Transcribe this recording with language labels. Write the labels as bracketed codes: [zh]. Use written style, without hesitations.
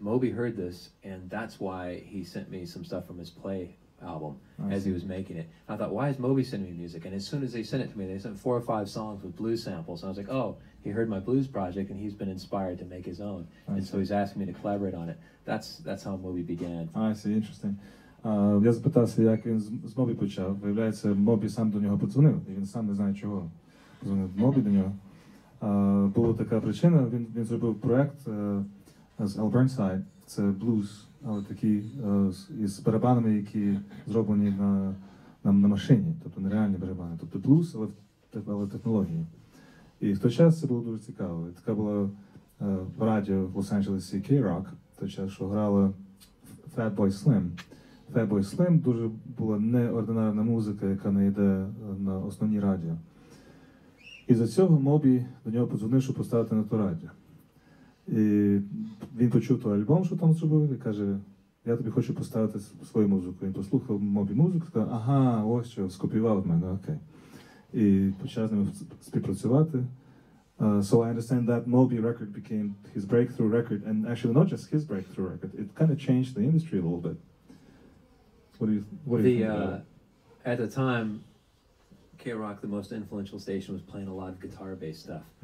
[en] Moby heard this, and that's why he sent me some stuff from his play album he was making it. I thought, why is Moby sending me music? And as soon as they sent it to me, they sent four or five songs with blues samples. And I was like, oh, he heard my blues project and he's been inspired to make his own. So he's asking me to collaborate on it. That's how Moby began. I see, interesting. [uk] Я запитався, як він з Моби почав. Виявляється, Моби сам до нього подзвонив, і він сам не знає чого. Дзвонив Моби до нього. Була така причина, він зробив проект з Al Burnside. Це блюз. Але такі із барабанами, які зроблені на машині, тобто нереальні барабани, тобто блюз, але технології. І в той час це було дуже цікаво. І така була в радіо в Лос-Анджелесі K-Rock, в той час, що грала Fatboy Slim. Fatboy Slim дуже була неординарна музика, яка не йде на основні радіо. І за цього Моби до нього подзвонив, щоб поставити на то радіо. І він почув той альбом, що там зробив, і каже, я тобі хочу поставити свою музику. Він послухав Моби музику, сказав, ага, ось що, скопіював в мене, окей. І почав з ними співпрацювати. [en] So I understand that Moby record became his breakthrough record, and actually not just his breakthrough record, it kind of changed the industry a little bit. What do you think about it? At the time, K-Rock, the most influential station, was playing a lot of guitar-based stuff.